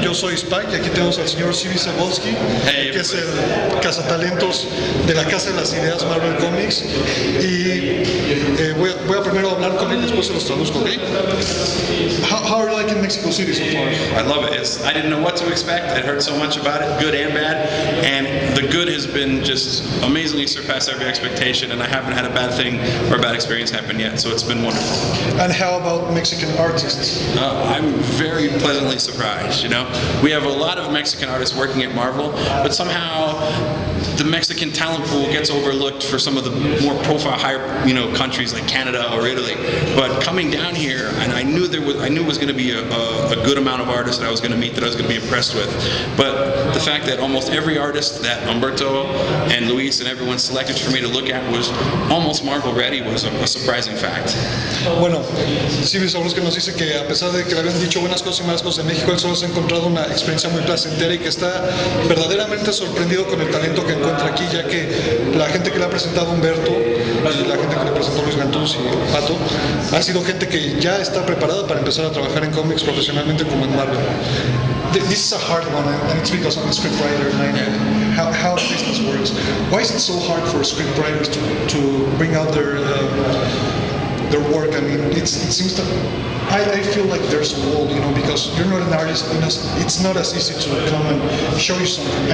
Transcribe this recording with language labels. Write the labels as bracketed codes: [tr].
[es] Yo soy Spike y aquí tenemos al señor Cebulski, que es el cazatalentos de la Casa de las Ideas Marvel Comics. Y voy a primero hablar con él, después se los traduzco, ¿ok? [en] How are you liking Mexico City so far? I love it. I didn't know what to expect. I heard so much about it, good and bad. And the good has been just amazingly surpassed every expectation, and I haven't had a bad thing or a bad experience happen yet, so it's been wonderful. And how about Mexican artists? I'm very pleasantly surprised, you know? We have a lot of Mexican artists working at Marvel, but somehow the Mexican talent pool gets overlooked for some of the more profile, higher, you know, countries like Canada or Italy. But coming down here, and I knew it was going to be a good amount of artists that I was going to meet, that I was going to be impressed with. But the fact that almost every artist that Umberto and Luis and everyone selected for me to look at was almost Marvel ready was a surprising fact. [es] Bueno, Silvio Sobrusque nos dice que a pesar de que le habían dicho buenas cosas y malas cosas en México, él solo se ha encontrado una experiencia muy placentera y que está verdaderamente sorprendido con el talento que encuentra aquí, ya que la gente que le ha presentado Umberto y la gente que le presentó Luis Gantús y Pato ha sido gente que ya está preparada para empezar a trabajar en cómics profesionalmente como en Marvel. [en] This is a hard one, and it's because I'm a scriptwriter, and I know how business works. Why is it so hard for scriptwriters to bring out their work? I mean, it seems that I feel like there's a wall, you know, because you're not an artist, you know, it's not as easy to come and show you something.